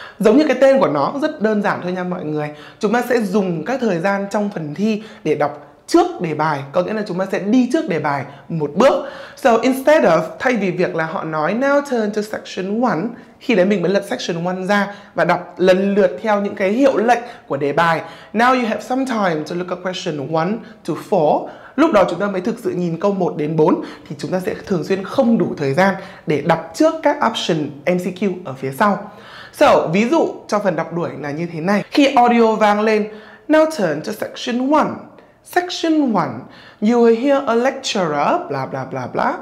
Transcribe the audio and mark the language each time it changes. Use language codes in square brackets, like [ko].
[vi] Giống như cái tên của nó rất đơn giản thôi nha mọi người. Chúng ta sẽ dùng các thời gian trong phần thi để đọc trước đề bài, có nghĩa là chúng ta sẽ đi trước đề bài một bước. [en] So instead of, [vi] thay vì việc là họ nói [en] now turn to section 1, [vi] khi đấy mình mới lật section 1 ra và đọc lần lượt theo những cái hiệu lệnh của đề bài. [en] Now you have some time to look at question 1 to 4. [vi] Lúc đó chúng ta mới thực sự nhìn câu 1 đến 4 thì chúng ta sẽ thường xuyên không đủ thời gian để đọc trước các option MCQ ở phía sau. So, ví dụ cho phần đọc đuổi là như thế này. Khi audio vang lên, [en] now turn to section 1. Section 1, you will hear a lecturer, blah blah blah blah.